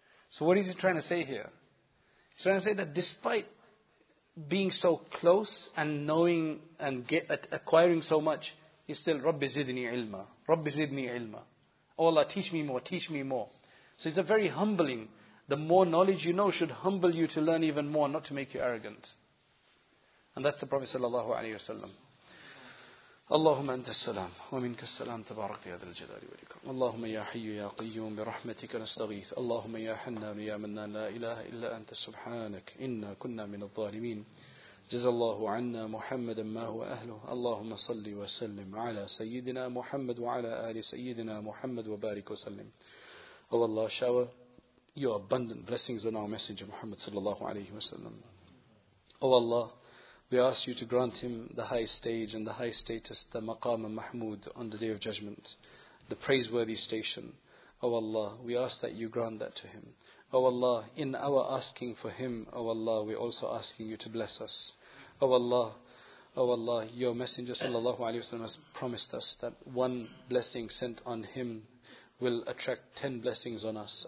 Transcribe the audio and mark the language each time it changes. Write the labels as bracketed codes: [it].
[en] So what is he trying to say here? He's trying to say that despite being so close and knowing and acquiring so much, he's still, Rabbi zidni ilma, Rabbi zidni ilma. Oh Allah, teach me more, teach me more. So it's a very humbling, the more knowledge you know should humble you to learn even more, not to make you arrogant. And that's the Prophet sallallahu alayhi wa sallam. [ar] اللهم أنت السلام ومنك السلام تبارك يا ذا الجلال والإكرام اللهم يا حي يا قيوم برحمتك نستغيث اللهم يا حنان يا منان لا إله إلا أنت سبحانك إنا كنا من الظالمين جزى الله عنا محمدا ما هو أهله اللهم صل وسلم على سيدنا محمد وعلى آل سيدنا محمد وبارك وسلم والله [en] shower your abundant blessings on our messenger Muhammad [ar] صلى الله عليه وسلم [en] والله We ask you to grant him the high stage and the high status, the maqam and mahmood on the Day of Judgment, the praiseworthy station. Oh Allah, we ask that you grant that to him. Oh Allah, in our asking for him, oh Allah, we're also asking you to bless us. Oh Allah, your Messenger sallallahu alayhi wa sallam has promised us that one blessing sent on him will attract 10 blessings on us.